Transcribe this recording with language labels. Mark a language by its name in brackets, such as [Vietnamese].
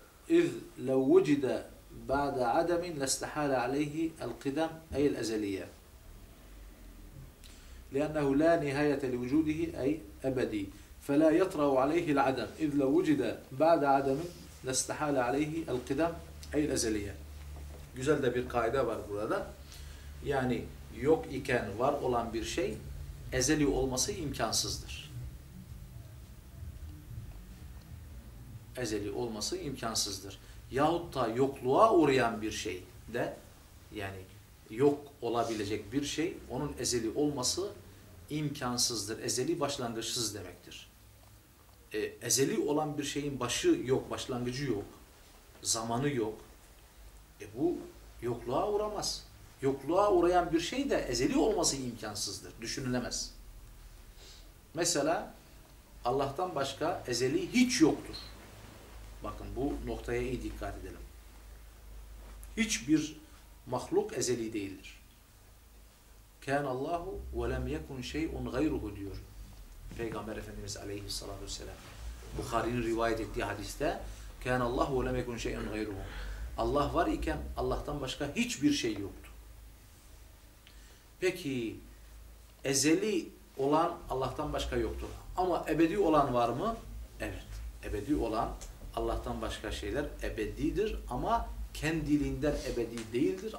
[Arabic] اِذْ لَوْ وُجِدَ بَعْدَ عَدَمٍ لَاسْتَحَالَ عَلَيْهِ الْقِدَمْ اَيْ الْاَزَلِيَّ لِأَنَّهُ لَا نِهَيَةَ لِوْجُودِهِ اَيْ اَبَد۪ي فَلَا يَطْرَوْ عَلَيْهِ الْعَدَمْ اِذْ لَوْ وُجِدَ بَعْدَ عَدَمٍ لَاسْتَحَالَ عَلَيْهِ الْقِدَمْ اَيْ الْاَزَلِيَّ [Turkish] Güzel de bir kaide var burada. Yani yok iken var olan bir şey ezeli olması imkansızdır. Ezeli olması imkansızdır. Yahut da yokluğa uğrayan bir şey de, yani yok olabilecek bir şey, onun ezeli olması imkansızdır. Ezeli başlangıçsız demektir. Ezeli olan bir şeyin başı yok, başlangıcı yok, zamanı yok. Bu yokluğa uğramaz. Yokluğa uğrayan bir şey de ezeli olması imkansızdır. Düşünülemez. Mesela Allah'tan başka ezeli hiç yoktur. Bakın bu noktaya iyi dikkat edelim. Hiçbir mahluk ezeli değildir. [Arabic] كَانَ اللّٰهُ وَلَمْ يَكُنْ شَيْءٌ غَيْرُهُ [Turkish] diyor Peygamber Efendimiz aleyhissalatü vesselam. Bukhari'nin rivayet ettiği hadiste [Arabic] كَانَ اللّٰهُ وَلَمْ يَكُنْ شَيْءٌ غَيْرُهُ [Turkish] Allah var iken Allah'tan başka hiçbir şey yoktu. Peki ezeli olan Allah'tan başka yoktur. Ama ebedi olan var mı? Evet. Ebedi olan Allah'tan başka şeyler ebedidir ama kendiliğinden ebedi değildir.